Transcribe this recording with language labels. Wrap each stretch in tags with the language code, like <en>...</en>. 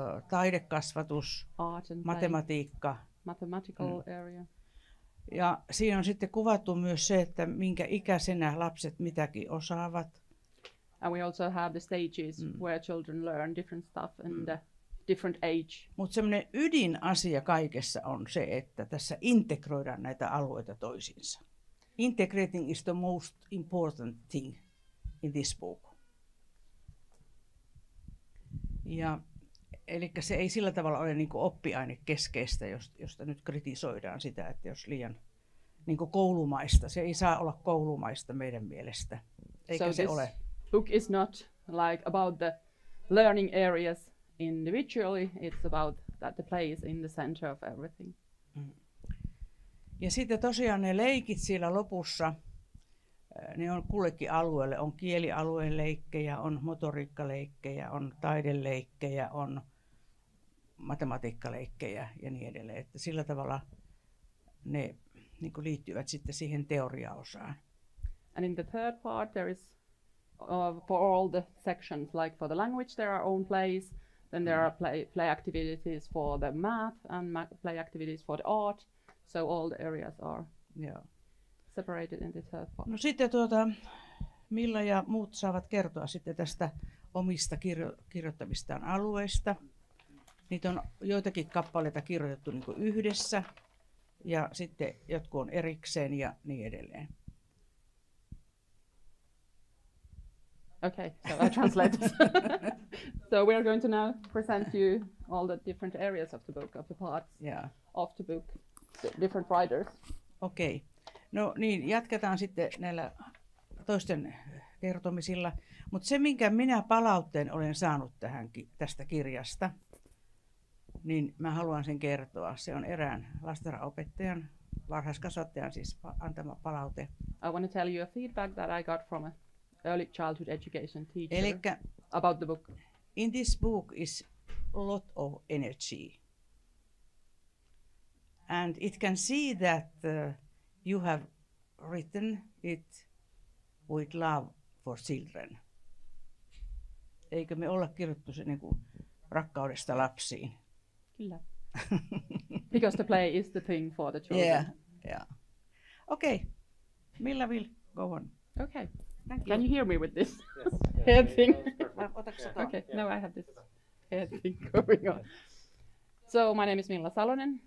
<fi>Taidekasvatus, matematiikka.</fi> <en>Mathematical area.</en> <fi>Ja siinä on sitten kuvattu myös se, että minkä ikäisenä lapset mitäkin osaavat.</fi> <en>And we also have the stages where children learn different stuff in the different age.</en> <fi>Mutta semmoinen ydinasia kaikessa on se, että tässä integroidaan näitä alueita toisiinsa.</fi> <en>Integrating is the most important thing in this book.</en> <fi>Ja Elikkä se ei sillä tavalla ole niin kuin oppiaine keskeistä, josta nyt kritisoidaan sitä, että jos liian niin kuin koulumaista, se ei saa olla koulumaista meidän mielestä. Eikä</fi> <en>so</en> <fi>se ole.</fi> <en>Book is not like about the learning areas individually, it's about that the play is in the center of everything.</en> <fi>Ja sitten tosiaan ne leikit siellä lopussa, ne on kullekin alueelle, on kielialueen leikkejä, on motoriikkaleikkejä, on taideleikkejä, on matematiikkaleikkejä ja niin edelleen. Että sillä tavalla ne niin kuin liittyvät sitten siihen teoriaosaan.</fi> <en>And in the third part there is for all the sections, like for the language there are own plays, then there are play activities for the math and play activities for the art. So all the areas are separated in this third part.</en> <fi>No sitten Milla ja muut saavat kertoa sitten tästä omista kirjoittamistaan alueista. Niitä on joitakin kappaleita kirjoitettu niin kuin yhdessä ja sitten jotkut on erikseen ja niin edelleen.</fi> <en>Okay, so I'll translate. So we are going to now present you all the different areas of the book, of the parts of the book. Different writers.</en> <fi>Okei. No niin, jatketaan sitten näillä toisten kertomisilla. Mutta se, minkä minä palautteen olen saanut tästä kirjasta, niin mä haluan sen kertoa. Se on erään lastenopettajan, varhaiskasvattajan siis antama palaute.</fi> <en>I want to tell you a feedback that I got from an early childhood education teacher.</en> <fi>Elikkä,</fi> <en>about the book. In this book is a lot of energy. And it can see that you have written it with love for children.</en> <fi>Eikö me olla kirjoittu se niin kuin rakkaudesta lapsiin? Kyllä.</fi> <en>Because the play is the thing for the children. Yeah. Okay. Milla will go on. Okay. Thank you. Can you hear me with this yes. head thing?</en> <fi>Otaksä toi?</fi> <en>Okay. Yeah. Now I have this head thing going on. So my name is Milla Salonen.</en>